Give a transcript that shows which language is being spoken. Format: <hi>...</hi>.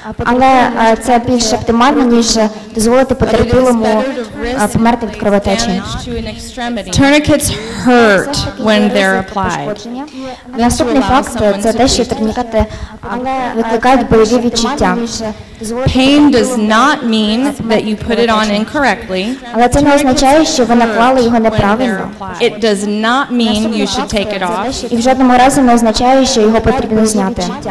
<uk>Але це більш оптимально, ніж дозволити потерпілому померти від кровотечі.</uk> <en>Tourniquets hurt when they're applied.</en> <uk>Наступний факт – це те, що турнікети викликають болі відчуття.</uk> <en>Pain does not mean that you put it on incorrectly.</en> <uk>Але це не означає, що ви наклали його неправильно.</uk> <en>It does not mean you should take it off.</en> <uk>І в жодному разі не означає, що його потрібно зняти.</uk>